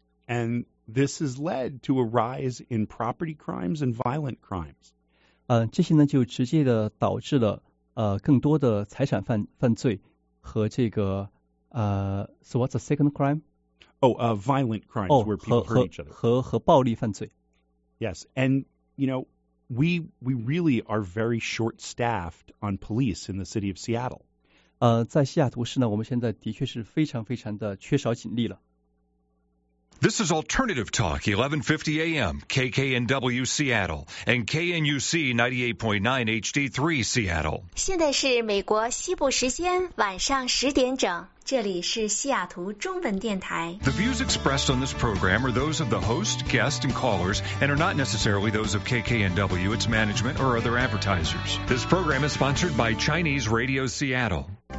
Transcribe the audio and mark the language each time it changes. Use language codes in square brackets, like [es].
[en] And this has led to a rise in property crimes and violent crimes. [zh] 这些呢就直接的导致了更多的财产犯罪和这个 [en] so what's the second crime? Violent crimes where people hurt each other. [zh] 和暴力犯罪。 [en] Yes, and you know,We really are very short-staffed on police in the city of Seattle. [zh] 在西雅图市呢，我们现在的确是非常非常的缺少警力了。 [en] This is Alternative Talk, 1150 AM, KKNW Seattle, and KNUC 98.9 HD3 Seattle. [zh] 现在是美国西部时间晚上十点整。这里是西雅图中文电台。 [en] The views expressed on this program are those of the host, guest, and callers, and are not necessarily those of KKNW, its management, or other advertisers. This program is sponsored by Chinese Radio Seattle.